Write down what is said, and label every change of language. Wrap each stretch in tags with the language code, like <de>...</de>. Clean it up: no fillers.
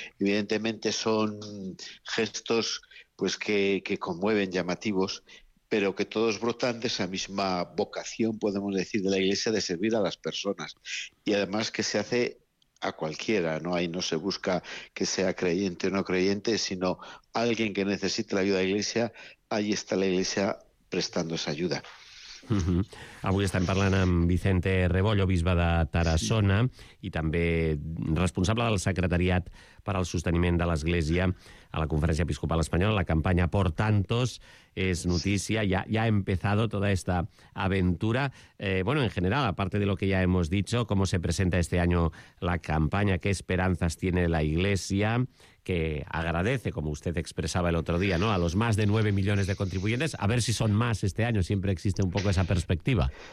<es>Evidentemente son gestos pues que conmueven, llamativos, pero que todos brotan de esa misma vocación, podemos decir, de la Iglesia, de servir a las personas. Y además que se hace a cualquiera, ¿no? Ahí no se busca que sea creyente o no creyente, sino alguien que necesite la ayuda de la Iglesia, ahí está la Iglesia prestando esa ayuda.</es> <ca>Avui estem parlant amb Vicente Rebollo, bisbe de Tarassona, sí, i també responsable del secretariat per al sosteniment de l'Església a la Conferència Episcopal Espanyola. La campanya Por Tantos és notícia, sí.</ca> <es>Ya ha empezado toda esta aventura. Bueno, en general, aparte de lo que ya hemos dicho, ¿cómo se presenta este año la campanya? ¿Qué esperanzas tiene la Iglesia, que agradece, como usted expresaba el otro día, ¿no?, a los más de 9 millones de contribuyentes? A ver si son más este año, siempre existe un poco esa perspectiva.</es>